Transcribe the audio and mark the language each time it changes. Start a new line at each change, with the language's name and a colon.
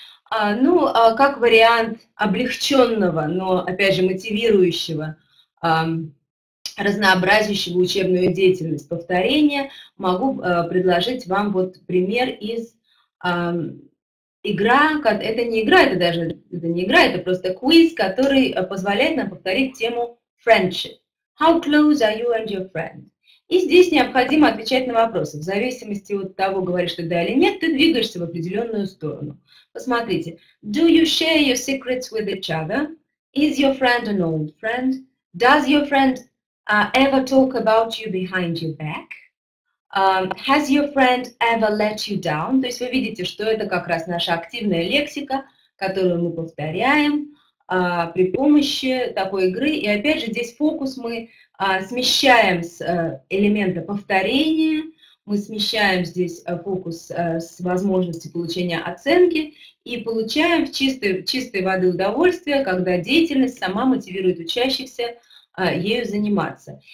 Russian: Как вариант облегченного, но, опять же, мотивирующего, разнообразящего учебную деятельность повторения, могу предложить вам вот пример из игра, это не игра, это даже это не игра, это просто квиз, который позволяет нам повторить тему friendship.
English: How close are you and your friend?
Russian: И здесь необходимо отвечать на вопросы. В зависимости от того, говоришь ты да или нет, ты двигаешься в определенную сторону. Посмотрите.
English: Do you share your secrets with each other? Is your friend an old friend? Does your friend ever talk about you behind your back? Has your friend ever let you down?
Russian: То есть вы видите, что это как раз наша активная лексика, которую мы повторяем при помощи такой игры. И опять же, здесь фокус мы смещаем с элемента повторения, мы смещаем здесь фокус с возможности получения оценки и получаем в чистой воды удовольствие, когда деятельность сама мотивирует учащихся ею заниматься.